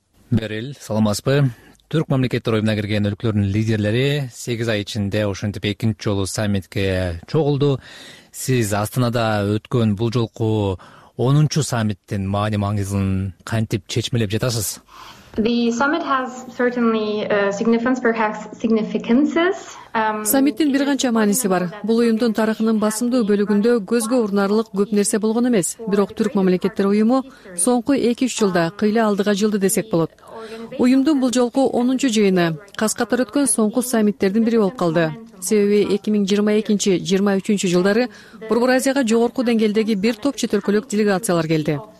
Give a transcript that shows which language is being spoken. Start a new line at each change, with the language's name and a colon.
Kyrgyz: Берил, саламатсызбы. Түрк мамлекеттер уюмуна кирген өлкөлөрдүн лидерлери 8 ай ичинде ушинтип экинчи жолу саммитке чогулду. Сиз Астанада өткөн бул жолку 10-чу саммиттин маани маңызын кантип чечмелеп жатасыз?
English: The summit has certainly significance, perhaps significances.
Kyrgyz: Саммиттин бир канча мааниси бар. Бул уюмдун тарыхынын басымдуу бөлүгүндө көзгө урнарлык көп нерсе болгон эмес. Бирок Түрк мамлекеттер уюму соңку 2-3 жылда кыйла алдыга жылды десек болот. Уюмдун бул жолку 10-чу жыйыны каз катар өткөн соңку саммиттердин бири болуп калды. Себеби 2022-23 жылдары Борбор Азияга жогорку деңгээлдеги бир топ чет өлкөлүк делегациялар келди.